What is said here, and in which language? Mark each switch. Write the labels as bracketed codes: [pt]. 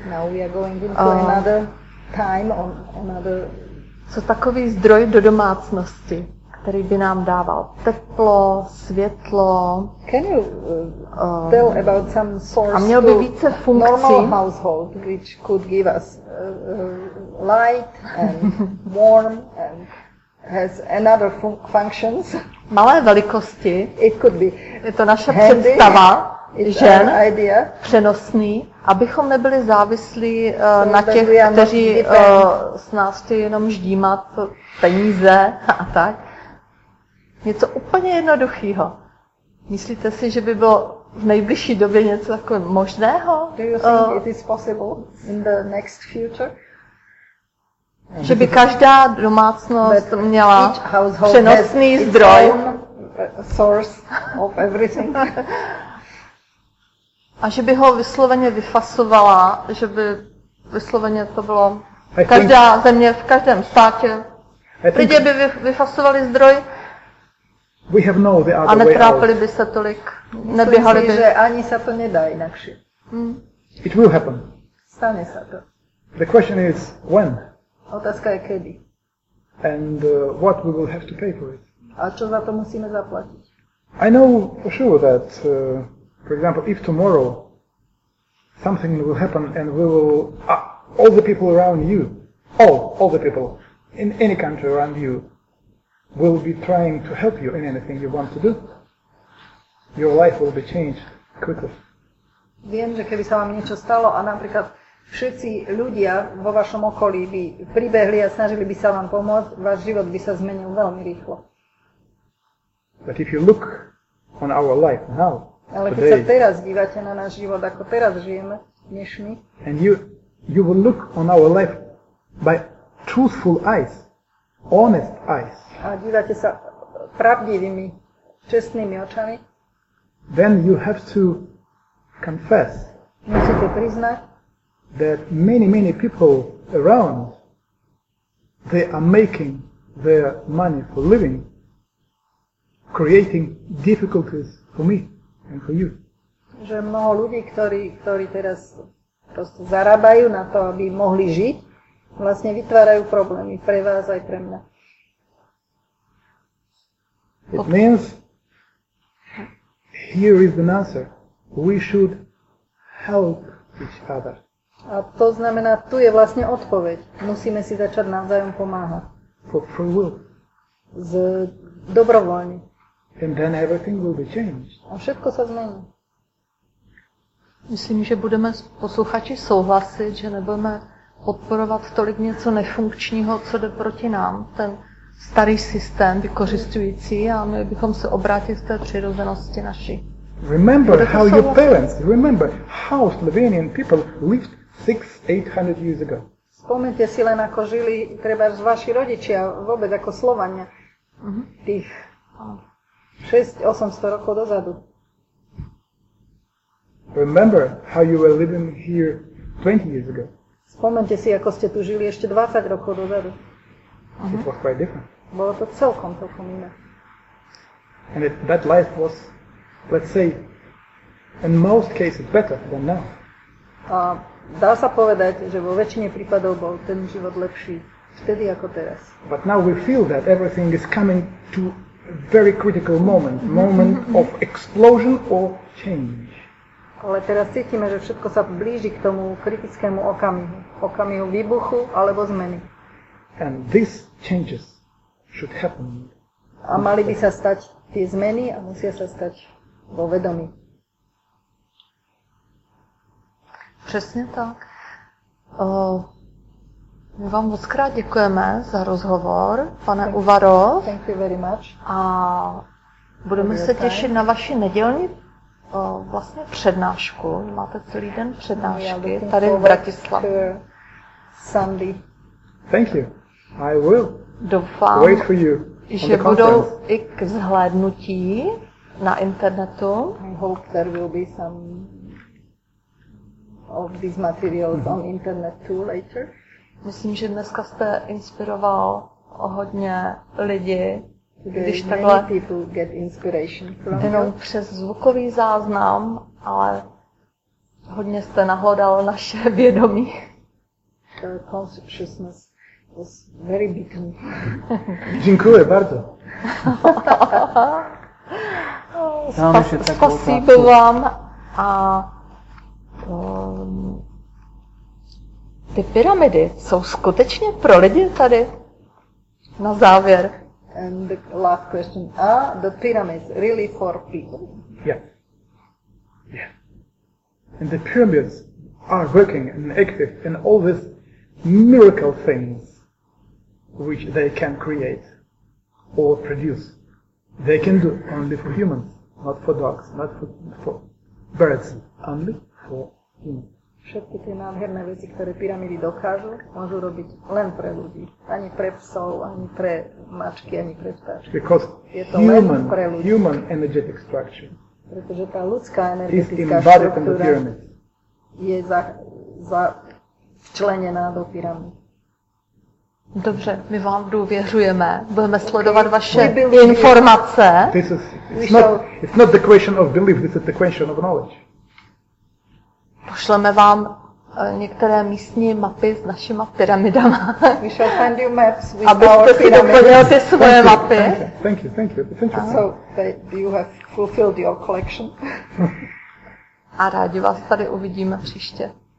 [en] now we are going into another time on another. [cs] Co takový zdroj do domácnosti, který by nám dával teplo, světlo. [en] Can you tell about some source? [cs] A měl by více funkcí. [en] Normal household, which could give us light and warm and has another functions. [cs] Malé velikosti. [en] It could be. [cs] Je to naše představa. Žen, [en] idea. [cs] Přenosný, abychom nebyli závislí na těch, kteří s nás chtějí jenom ždímat peníze a tak. Něco úplně jednoduchého. Myslíte si, že by bylo v nejbližší době něco jako možného? [en] Do you think it is possible in the next future? [cs] Že by každá domácnost měla přenosný zdroj. [en] Source of everything. [cs] A že by ho vysloveně vyfasovala, že by vysloveně to bylo každá země, v každém státě. Lidé by vyfasovali zdroj a netrápili by se tolik, neběhali by. Myslím, že ani se to nedá jinakši. [en] It will happen. [cs] Stane se to. [en] The question is when. [sk] Otázka je kedy. [en] And what we will have to pay for it. [cs] A co za to musíme zaplatit. [en] I know for sure that for example, if tomorrow something will happen and we will all the people around you, all the people in any country around you will be trying to help you in anything you want to do, your life will be changed quickly. [sk] Viem, že keby sa vám niečo stalo a napríklad všetci ľudia vo vašom okolí by pribehli a snažili by sa vám pomôcť, váš život by sa zmenil veľmi rýchlo. [en] But if you look on our life now, [sk] ale keď [en] today, [sk] sa teraz dívate na náš život, ako teraz žijeme, dnešný. [en] And you will look on our life by truthful eyes, honest eyes. [sk] A dívate sa pravdivými, čestnými očami. [en] Then you have to confess. [sk] Musíte priznať, [en] that many, many people around, they are making their money for living, creating difficulties for me. And for you. [sk] Že mnoho ľudí, ktorí teraz proste zarábajú na to, aby mohli žiť, vlastne vytvárajú problémy pre vás aj pre mňa. [en] It means here is the answer. We should help each other. [sk] A to znamená, tu je vlastne odpoveď. Musíme si začať navzájom pomáhať. [en] For free will. [sk] Z dobrovoľne. [en] And then everything will be changed. [sk] A všetko sa zmení. [cs] Myslím, že budeme posluchači souhlasit, že nebudeme podporovat tolik něco nefunkčního, co jde proti nám, ten starý systém vykořisťující, a my bychom se obrátili v té přirozenosti naši. Remember budete how souhlasit? [en] Your parents, remember how Slovenian people lived 600-800 years ago. [sk] Vzpomeňte si len, ako žili třeba vaši rodiči a vůbec jako Slovania. Mm-hmm. Tých 6-800 rokov dozadu. [en] Remember how you were living here 20 years ago. [sk] Spomnite si, ako ste tu žili ešte 20 rokov dozadu. [en] It was quite different. [sk] Bolo to celkom iné. [en] And that life was, let's say, in most cases better than now. [sk] A dá sa povedať, že vo väčšine prípadov bol ten život lepší vtedy ako teraz. [en] But now we feel that everything is coming to a very critical moment, moment of explosion or change. [sk] Ale teraz cítime, že všetko sa blíži k tomu kritickému okamihu, okamihu výbuchu alebo zmeny. [en] And these changes should happen. [sk] A mali by sa stať tie zmeny a musia sa stať vo vedomí. [cs] Přesně tak. My vám moc krát děkujeme za rozhovor, pane Uvarov. [en] Thank you very much. [cs] A budeme se těšit na vaši nedělní vlastně přednášku. Máte celý den přednášky tady v Bratislavě. [en] Sunday. Thank you. I will. [cs] Doufám, [en] wait for you [cs] že budou i k zhlédnutí na internetu. [en] I hope there will be some of these materials on internet too later. [cs] Myslím, že dneska jste inspiroval hodně lidi, když [en] many [cs] takhle [en] people get inspiration from [cs] jenom [en] you. [cs] Přes zvukový záznam, ale hodně jste nahlodal naše vědomí. [en] The consciousness was very beaten. [cs] Děkuji [pl] bardzo. [ru] Spasíbu [cs] vám a ty pyramidy jsou skutečně pro lidi tady na závěr. [en] And the last question, are the pyramids really for people? Yeah. And the pyramids are working and active in all these miracle things which they can create or produce. They can do only for humans, not for dogs, not for birds, only for [sk] všetky tie nádherné veci, ktoré pyramidy dokážu, môžu robiť len pre ľudí. Ani pre psov, ani pre mačky, ani pre vtáčky. [en] Because [sk] je to human, len pre ľudí. [en] Human energetic structure. [sk] Pretože tá ľudská energetická štruktúra je za včlenená do pyramid. [cs] Dobře, my vám důvěřujeme. Budeme sledovat vaše informace. [en] It's not the question of belief, this is the question of knowledge. [cs] Pošleme vám některé místní mapy s našima pyramidama. [en] We shall send you maps with [cs] abyste si doplnil ty svoje mapy. [en] Thank you. So you have fulfilled your collection. [cs] A rádi vás tady uvidíme příště.